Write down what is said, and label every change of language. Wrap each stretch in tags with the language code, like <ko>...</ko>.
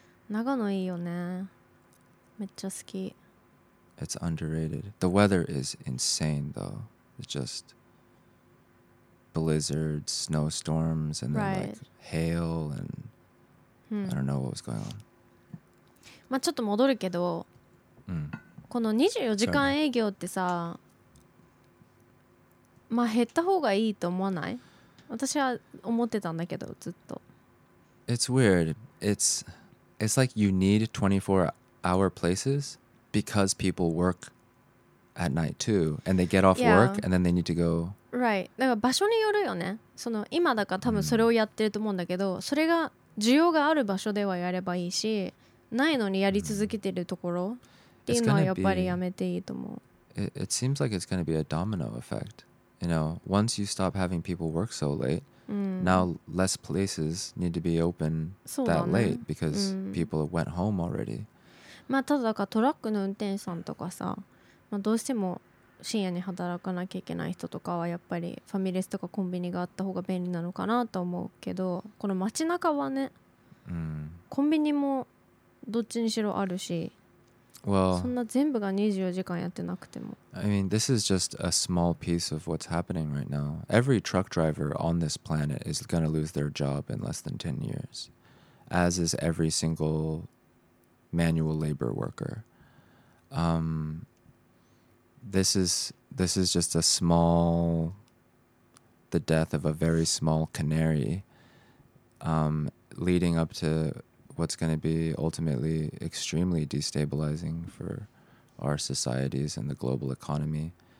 <ja>長野いいよね。めっちゃ好き。</ja> <en>It's underrated. The weather is insane, though. It's just blizzards, snowstorms, and then like hail, and I don't know what was going on.</en> <ja>まあちょっと戻るけど、この24時間営業ってさ、まあ減った方がいいと思わない？私は思ってたんだけど、ずっと。</ja> <en>It's weird. It's like you need 24-hour places because people work at night too, and they get off work and then they need to go. Right.</en> <ja>だから場所によるよね。その今だから多分それをやってると思うんだけど、それが需要がある場所ではやればいいし、ないのにやり続けてるところっていうのはやっぱりやめていいと思う。</ja> <en>It seems like it's going to be a domino effect. You know, once you stop having people work so late, Now less places need to be open that late because people went home already.</en> <ja>まあ、ただだからトラックの運転手さんとかさ、まあ、どうしても深夜に働かなきゃいけない人とかはやっぱりファミレスとかコンビニがあった方が便利なのかなと思うけど、この街中はね、コンビニもどっちにしろあるし、そんな全部が24時間やってなくても。</ja> <en>I mean, this is just a small piece of what's happening right now. Every truck driver on this planet is going to lose their job in less than 10 years, as is every single manual labor worker. This is just a small, the death of a very small canary, leading up to what's going to be ultimately extremely destabilizing for our societies and the global economy.</en>